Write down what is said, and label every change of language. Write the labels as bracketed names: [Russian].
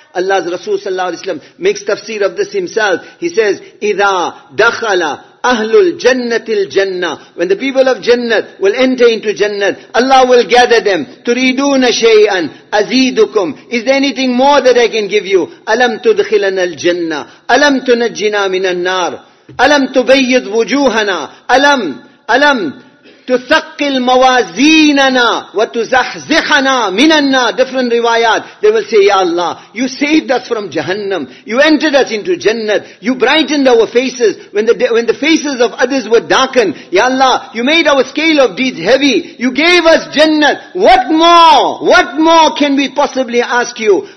[English] Allah's Rasul sallallahu alayhi wa sallam makes tafsir of this himself. He says, [Arabic] إِذَا دَخَلَ أَهْلُ الْجَنَّةِ الْجَنَّةِ [English] When the people of Jannat will enter into Jannat, Allah will gather them. [Arabic] تُرِيدُونَ شَيْئًا أَزِيدُكُمْ [English] Is there anything more that I can give you? [Arabic] أَلَمْ تُدْخِلَنَا الْجَنَّةِ أَلَمْ تُنَجِّنَا مِنَ النَّارِ أَلَمْ تُبَيِّضْ وُجُوهَنَا أَلَمْ تُثَقِّلْ مَوَازِينَنَا وَتُزَحْزِحَنَا مِنَ النَّارِ [English] Different riwayat. They will say, Ya Allah, you saved us from Jahannam. You entered us into Jannat. You brightened our faces when the faces of others were darkened. Ya Allah, you made our scale of deeds heavy. You gave us Jannat. What more? What more can we possibly ask you?